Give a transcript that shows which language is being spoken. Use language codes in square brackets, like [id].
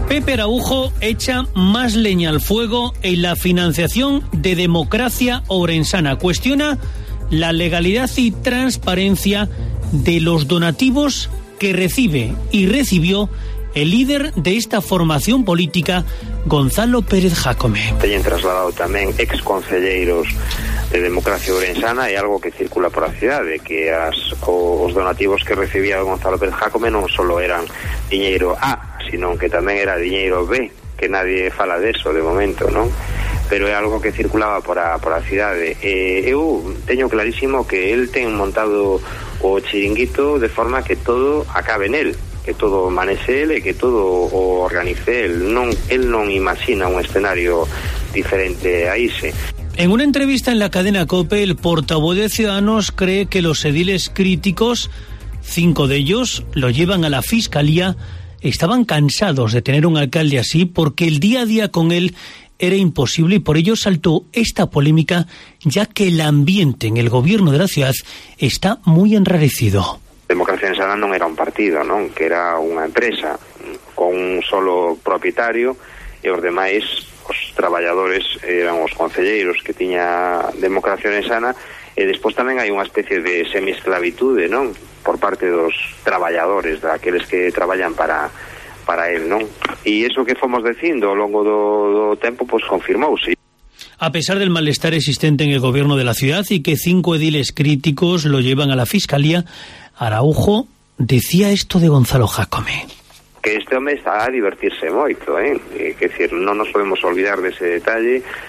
[es] Pepe Araújo echa más leña al fuego en la financiación de Democracia Orensana. Cuestiona la legalidad y transparencia de los donativos que recibe y recibió el líder de esta formación política, Gonzalo Pérez Jácome. [gl] Teñen trasladado también ex concelleiros de Democracia Orensana e algo que circula por a cidade, que os donativos que recibía Gonzalo Pérez Jácome non só eran diñeiro A, sino que tamén era diñeiro B, que nadie fala deso de momento, non? Pero é algo que circulaba por a cidade. Eu teño clarísimo que él ten montado o chiringuito de forma que todo acabe en él, que todo manexe él e que todo o organice él. Él non imagina un escenario diferente a ese. [es] En una entrevista en la cadena COPE, el portavoz de Ciudadanos cree que los ediles críticos, 5 de ellos, lo llevan a la Fiscalía, estaban cansados de tener un alcalde así porque el día a día con él era imposible y por ello saltó esta polémica, ya que el ambiente en el gobierno de la ciudad está muy enrarecido. [gl] Democracia Orensana non era un partido, non, que era unha empresa con un solo propietario e os demais, os traballadores, eran os concelleiros que tiña Democracia Orensana, e despois tamén hai unha especie de semiesclavitude, non, por parte dos traballadores, daqueles que traballan para él, non? E iso que fomos dicindo ao longo do tempo, pois confirmouse. [es] A pesar del malestar existente en el gobierno de la ciudad y que 5 ediles críticos lo llevan a la Fiscalía, Araújo decía esto de Gonzalo Jácome. Que este hombre está a divertirse moito, ¿eh? Es decir, no nos podemos olvidar de ese detalle.